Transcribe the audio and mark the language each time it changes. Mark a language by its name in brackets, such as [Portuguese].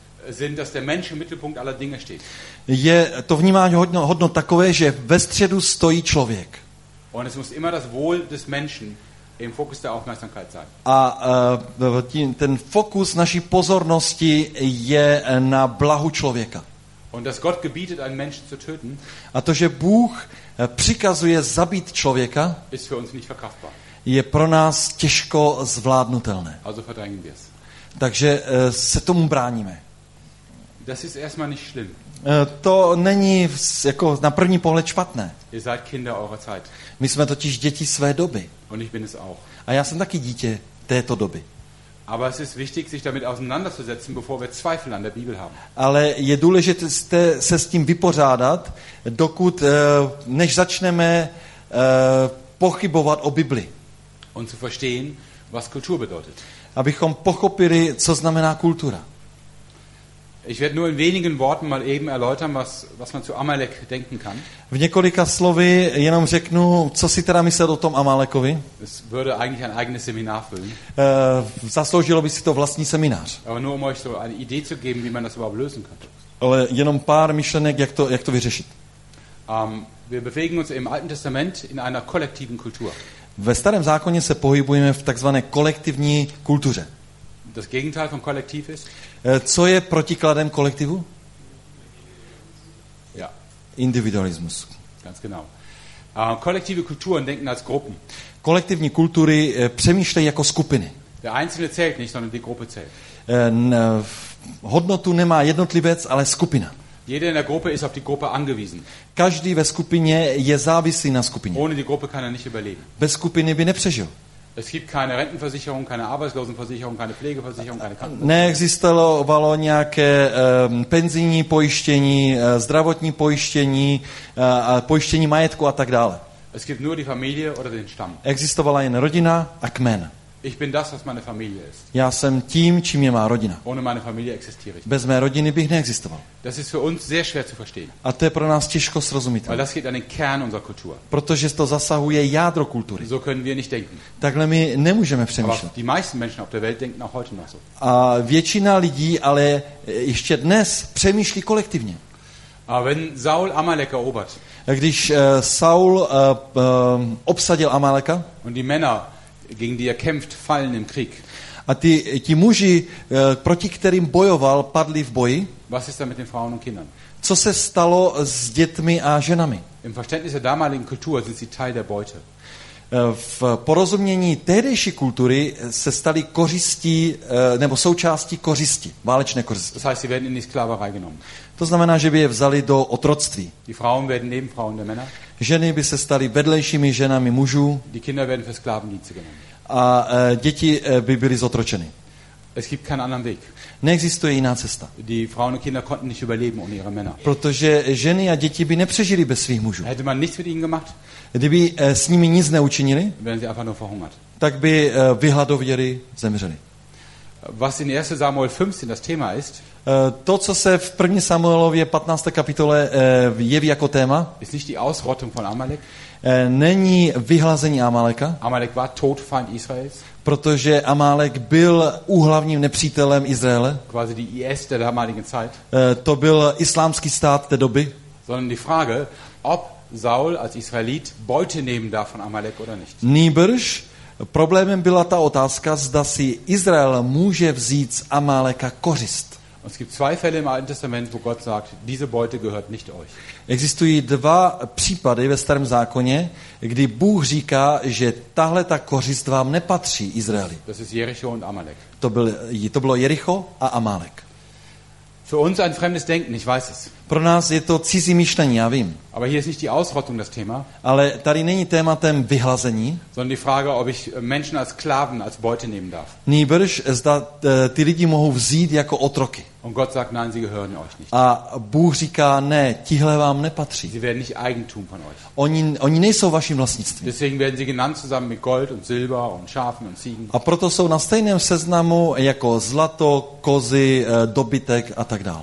[German] sind, dass der Mensch im Mittelpunkt aller Dinge steht. [Czech] Je to vnímání hodnot takové, že ve středu stojí člověk. [German] Und es muss immer das Wohl des Menschen im Fokus der Aufmerksamkeit sein. [Czech] A ten fokus naší pozornosti je na blahu člověka. [German] Und dass Gott gebietet, einen Menschen zu töten, [Czech] a to, že Bůh přikazuje zabít člověka, [German] ist für uns nicht verkraftbar. [Czech] Je pro nás těžko zvládnutelné. Takže se tomu bráníme. [German] Das ist erstmal nicht schlimm. [Czech] To není jako na první pohled špatné. [German] Ihr seid Kinder eurer Zeit. [Czech] My jsme totiž děti své doby. [German] Und ich bin es auch. [Czech] A já jsem taky dítě této doby. [German] Aber es ist wichtig, sich damit auseinanderzusetzen, bevor wir Zweifel an der Bibel haben. [Czech] Ale je důležité se s tím vypořádat, dokud než začneme pochybovat o Bibli. [German] Und zu verstehen, was Kultur bedeutet. [Czech] Abychom pochopili, co znamená kultura. [German] Ich werde nur in wenigen Worten mal eben erläutern, was man zu Amalek denken kann. [Czech] V několika slovy jenom řeknu, co si teda myslel o tom Amalekovi. [German] Es würde eigentlich ein eigenes Seminar füllen. [Czech] Zasloužilo by si to vlastní seminář. [German] Aber nur um euch so eine Idee zu geben, wie man das überhaupt lösen könnte. [Czech] Ale jenom pár myšlenek, jak to vyřešit. [German] Wir bewegen uns im Alten Testament in einer kollektiven Kultur. [Czech] Ve Starém zákoně se pohybujeme v takzvané kolektivní kultuře. [German] Das Gegenteil von kollektiv ist? [Czech] Co je protikladem kolektivu? [German] Ja. individualismus. Ganz genau. Kollektive Kulturen denken als Gruppen. [Czech] Kolektivní kultury přemýšlejí jako skupiny. [German] Der einzelne zählt nicht, sondern die Gruppe zählt. [Czech] Hodnotu nemá jednotlivec, ale skupina. [German] Jeder in der Gruppe ist auf die Gruppe angewiesen. [Czech] Každý ve skupině je závislý na skupině. [German] Ohne die Gruppe kann er nicht überleben. [Czech] Bez skupiny by nepřežil. [German] Es gibt keine Rentenversicherung, keine Arbeitslosenversicherung, keine Pflegeversicherung, keine Krankenversicherung. [Czech] Neexistovalo nějaké penzijní pojištění, zdravotní pojištění, pojištění majetku a tak dále. [German] Es gibt nur die Familie oder den Stamm. [Czech] Existovala jen rodina a kmen. [German] Ich bin das, was meine Familie ist. [Czech] Já jsem tím, čím je má rodina. [German] Ohne meine Familie existiere ich. [Czech] Bez mé rodiny bych neexistoval. [German] Das ist für uns sehr schwer zu verstehen. [Czech] A to je pro nás těžko srozumitelné. [German] Weil das geht an den Kern unserer Kultur. [Czech] Protože to zasahuje jádro kultury. [German] So können wir nicht denken. [Czech] Takhle my nemůžeme přemýšlet. [German] Aber die meisten Menschen auf der Welt denken auch heute noch so. [Czech] A většina lidí ale ještě dnes přemýšlí kolektivně. [German] A wenn Saul Amalek erobert. [Czech] Když Saul obsadil Amaleka. [German] Und die Männer, gegen die er kämpft, fallen im Krieg. [Czech] A ti muži, proti kterým bojoval, padli v boji. [German] Was ist da mit den Frauen und Kindern? [Czech] Co se stalo s dětmi a ženami? [German] Im Verständnis der damaligen Kultur sind sie Teil der Beute. [Czech] V porozumění tehdejší kultury se stali kořistí, nebo součástí kořisti, válečné kořisti. [German] Das heißt, sie werden in die Sklaverei genommen. [Czech] To znamená, že by je vzali do otroctví. [German] Die Frauen werden neben Frauen der Männer. [Czech] Ženy by se staly vedlejšími ženami mužů. [German] Die Kinder werden für Sklavendienste genommen. [Czech] A děti by byly zotročeny. [German] Es gibt keinen anderen Weg. [Czech] Neexistuje jiná cesta. [German] Die Frauen und Kinder konnten nicht überleben ohne ihre Männer. [Czech] Protože ženy a děti by nepřežili bez svých mužů. [German] Hätte man nichts mit ihnen gemacht? [Czech] Kdyby s nimi nic neučinili, [German] wären sie einfach nur verhungert. [Czech] Tak by vyhladověli, zemřeli. [German] Was in 1. Samuel 15 das Thema ist, [Czech] to, co se v 1. Samuelově 15. kapitole jeví jako téma, [German] ist nicht die Ausrottung von Amalek, [Czech] není vyhlazení Amaleka, [German] Amalek war Todfeind Israels, [Czech] protože Amalek byl úhlavním nepřítelem Izraele, [German] quasi die IS der damaligen Zeit, [Czech] to byl islámský stát té doby, [German] sondern die Frage, ob Saul als Israelit Beute nehmen darf von Amalek oder nicht. [Czech] Nýbrž problémem byla ta otázka, zda si Izrael může vzít z Amaleka kořist. [German] Es gibt zwei Fälle im Alten Testament, wo Gott sagt, diese Beute gehört nicht euch. [Czech] Existují dva případy ve starém zákoně, kdy Bůh říká, že tahle ta kořist vám nepatří, Izraeli. [German] Das ist Jericho und Amalek. [Czech] To bylo Jericho a Amalek. [German] Für uns ein fremdes Denken, ich weiß es. [Czech] Pro nás je to cizí myšlení, já vím. [German] Aber hier ist nicht die Ausrottung das Thema. [Czech] Ale tady není tématem vyhlazení. [German] Sondern die Frage, ob ich Menschen als Sklaven, als Beute nehmen darf. [Czech] Nýbrž, zda ty lidi mohou vzít jako otroky. [German] Und Gott sagt, nein, sie gehören euch nicht. [Czech] A Bůh říká, ne, tihle vám nepatří. [German] Sie werden nicht Eigentum von euch. [Czech] Oni nejsou vaším vlastnictvím. [German] Deswegen werden sie genannt zusammen mit Gold und Silber und Schafen und Ziegen. [Czech] A proto jsou na stejném seznamu jako zlato, kozy, dobytek a tak dále.